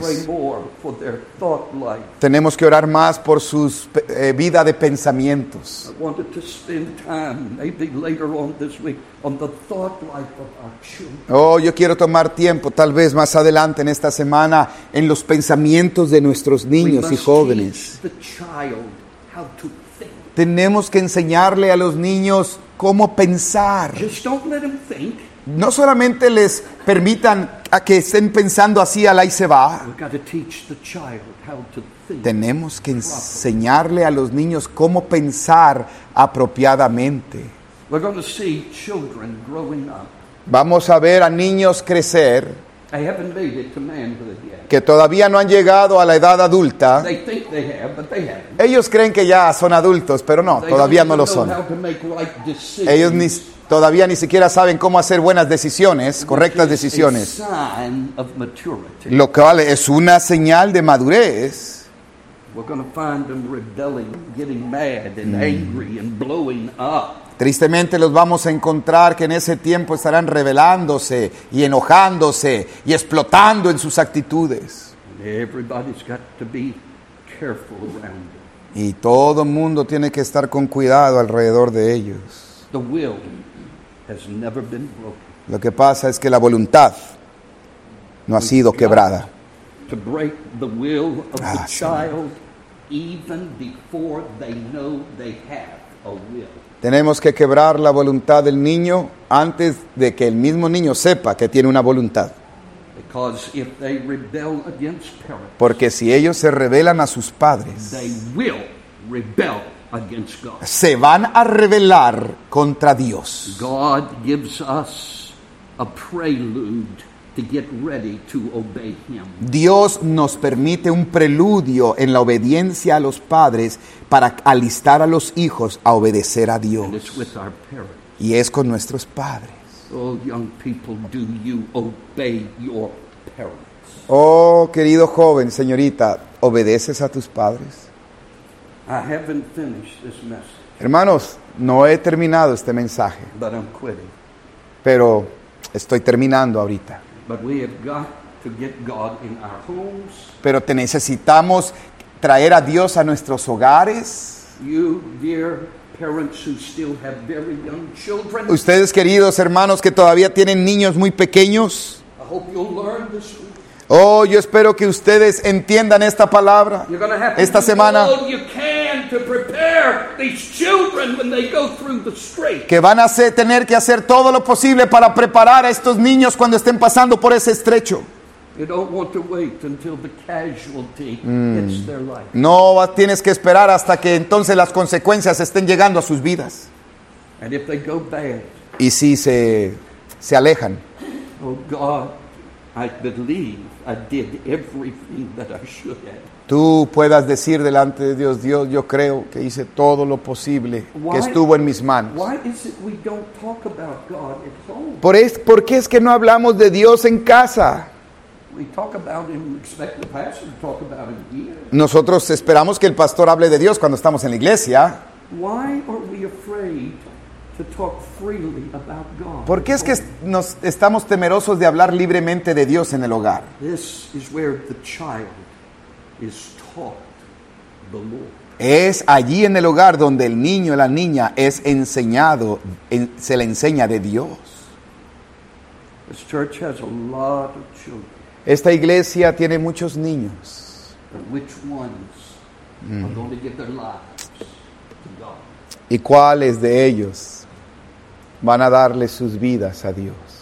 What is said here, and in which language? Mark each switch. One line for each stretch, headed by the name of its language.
English: Got to pray more for their thought life.
Spanish: Tenemos que orar más por su vida de pensamientos.
English: I wanted to spend time, maybe later on this week, on the thought life of our children.
Spanish: Oh, yo quiero tomar tiempo, tal vez más adelante en esta semana, en los pensamientos de nuestros niños
English: We
Spanish: y jóvenes.
English: Teach the child how to think.
Spanish: Tenemos que enseñarle a los niños cómo pensar.
English: Just don't let them think.
Spanish: No solamente les permitan a que estén pensando así, al ahí se va.
English: We've got to teach the child how to think.
Spanish: Tenemos que enseñarle a los niños cómo pensar apropiadamente.
English: We're going to see children growing up.
Spanish: Vamos a ver a niños crecer.
English: They haven't made it to manhood yet.
Spanish: Que todavía no han llegado a la edad adulta.
English: They think they have, but they haven't.
Spanish: Ellos creen que ya son adultos, pero no,
English: they
Spanish: todavía no lo son.
English: How to make right decisions.
Spanish: Ellos todavía ni siquiera saben cómo hacer buenas decisiones, correctas decisiones.
English: A sign of maturity.
Spanish: Lo cual es una señal de madurez.
English: We're going to find them rebelling, getting mad and angry and blowing up.
Spanish: Tristemente los vamos a encontrar que en ese tiempo estarán rebelándose y enojándose y explotando en sus actitudes.
English: Everybody's got to be careful around them.
Spanish: Y todo mundo tiene que estar con cuidado alrededor de ellos.
English: The will has never been broken.
Spanish: Lo que pasa es que la voluntad no ha sido quebrada.
English: To break the will of the child even before they know they have a will.
Spanish: Tenemos que quebrar la voluntad del niño antes de que el mismo niño sepa que tiene una voluntad.
English: Because if they rebel against parents,
Spanish: porque si ellos se rebelan a sus padres,
English: they will rebel against God.
Spanish: Se van a rebelar contra Dios.
English: God gives us a prelude to get ready to obey him.
Spanish: Dios nos permite un preludio en la obediencia a los padres para alistar a los hijos a obedecer a Dios.
English: And it's with our parents.
Spanish: Y es con nuestros padres.
English: Oh, young people, do you obey your parents?
Spanish: Oh, querido joven, señorita, ¿obedeces a tus padres?
English: I haven't finished this message.
Spanish: Hermanos, no he terminado este mensaje.
English: But I'm quitting.
Spanish: Pero estoy terminando ahorita.
English: But we have got to get God in our homes.
Spanish: Pero te necesitamos traer a Dios a nuestros hogares.
English: You, dear parents who still have very young children.
Spanish: Ustedes, queridos hermanos, que todavía tienen niños muy pequeños.
English: I hope you'll learn this week.
Spanish: Oh, yo espero que ustedes entiendan esta palabra.
English: You're gonna have
Spanish: esta
English: to
Spanish: semana.
English: Do all you can to prepare these children when they go through the strait.
Spanish: Que van a tener que hacer todo lo posible para preparar a estos niños cuando estén pasando por ese estrecho.
English: You don't want to wait until the casualty hits their life.
Spanish: No tienes que esperar hasta que entonces las consecuencias estén llegando a sus vidas.
English: And if they go bad,
Spanish: y si se alejan.
English: Oh, God, I believe I did everything that I should have.
Spanish: Tú puedas decir delante de Dios, Dios, yo creo que hice todo lo posible que estuvo en mis manos.
English: Why is it we don't talk about God at home?
Spanish: ¿Por qué es que no hablamos de Dios en casa?
English: We talk about him, expect the pastor to talk about him here.
Spanish: Nosotros esperamos que el pastor hable de Dios cuando estamos en la iglesia.
English: Why are we afraid to talk freely about God?
Spanish: ¿Por qué es que nos estamos temerosos de hablar libremente de Dios en el hogar?
English: This is where the child is taught the Lord.
Spanish: Es allí en el hogar donde el niño o la niña es enseñado, se le enseña de Dios.
English: This church has a lot of children.
Spanish: Esta iglesia tiene muchos niños.
English: Which ones are going to give their lives to God?
Spanish: ¿Y cuáles de ellos van a darle sus vidas a Dios?